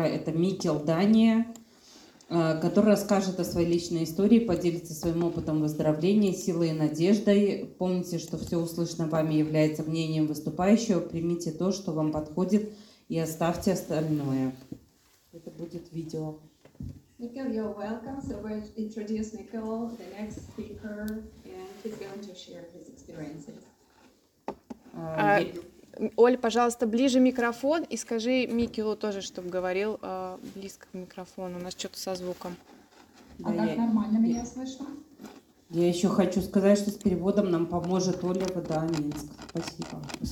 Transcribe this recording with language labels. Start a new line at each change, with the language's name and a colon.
Russian: Это Микел Дания, который расскажет о своей личной истории, поделится своим опытом выздоровления, силой и надеждой. Помните, что все услышанное вами является мнением выступающего. Примите то, что вам подходит, и оставьте остальное. Это будет видео.
English: Mikkel, you're welcome. So we'll introduce Mikkel, the next speaker, and he's going to share his experiences.
Russian: Оль, пожалуйста, ближе микрофон и скажи Микелу тоже, чтобы говорил близко к микрофону. У нас что-то со звуком. Да, а так нормально меня слышно? Я еще хочу сказать, что с переводом нам поможет Оля Водоминск. Спасибо.